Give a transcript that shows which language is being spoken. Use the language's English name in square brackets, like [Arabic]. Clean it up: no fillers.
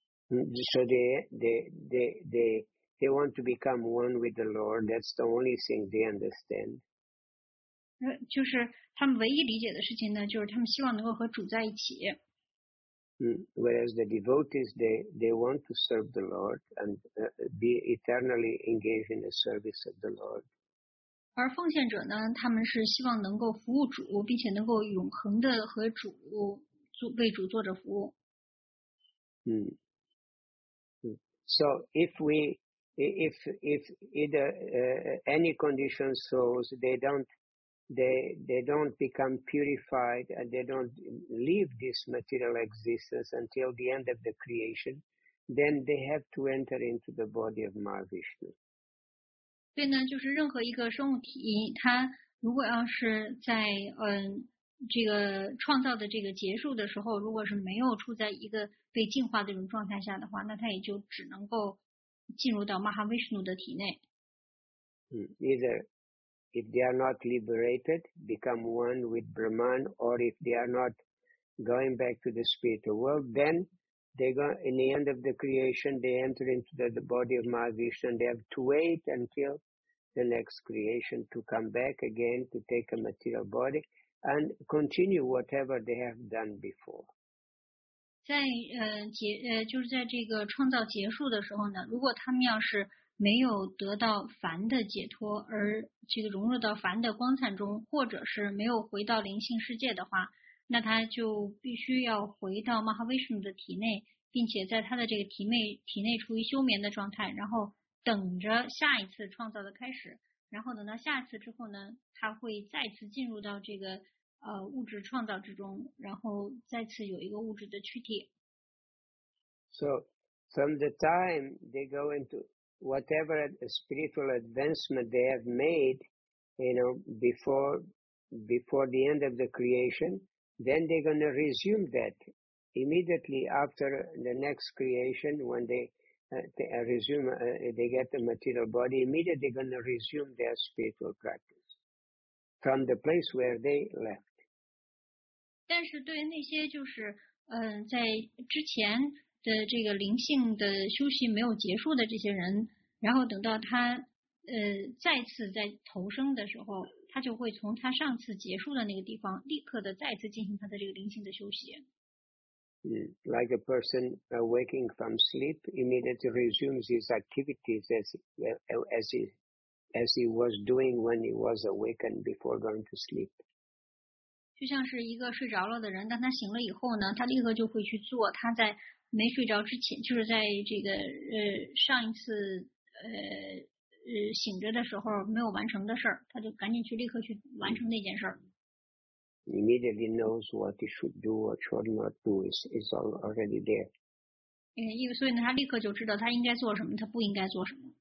[English] So they want to become one with the Lord. That's the only thing they understand. [Chinese] 就是他们唯一理解的事情呢，就是他们希望能够和主在一起。 [English] Whereas the devotees, they want to serve the Lord and be eternally engaged in the service of the Lord. [Chinese] 而奉献者呢，他们是希望能够服务主，并且能够永恒的和主为主做着服务。 [English] So if either any conditioned souls they don't become purified and they don't leave this material existence until the end of the creation, then they have to enter into the body of Mahavishnu. [Chinese] 对呢，就是任何一个生物体，它如果要是在这个创造的这个结束的时候，如果是没有处在一个被净化的这种状态下的话，那它也就只能够进入到 Mahavishnu 的体内。 [English] Either if they are not liberated, become one with Brahman, or if they are not going back to the spiritual world, then they go in the end of the creation, they enter into the body of Mahavishnu, and they have to wait until the next creation to come back again to take a material body and continue whatever they have done before. [Chinese] 就是在这个创造结束的时候呢，如果他们要是没有得到凡的解脱，而这个融入到凡的光灿中，或者是没有回到灵性世界的话，那他就必须要回到 Mahavishnu 的体内，并且在他的这个体内处于休眠的状态，然后等着下一次创造的开始，然后等到下一次之后呢，他会再次进入到这个物质创造之中，然后再次有一个物质的躯体。 [English] So from the time they go into whatever spiritual advancement they have made, you know, before the end of the creation, then they're going to resume that immediately after the next creation when they get the material body. Immediately they're going to resume their spiritual practice from the place where they left. [Chinese] 但是对于那些就是在之前的这个灵性的休息没有结束的这些人，然后等到他再次在投生的时候，他就会从他上次结束的那个地方立刻的再次进行他的这个灵性的休息。 [English] Like a person waking from sleep immediately resumes his activities as he was doing when he was awakened before going to sleep. [Chinese] 就像是一个睡着了的人，当他醒了以后呢，他立刻就会去做他在没睡着之前，就是在这个上一次醒着的时候没有完成的事儿，他就赶紧去立刻去完成那件事儿。 [English] Immediately knows what he should do or should not do is all already there. [Chinese] 因为所以呢，他立刻就知道他应该做什么，他不应该做什么。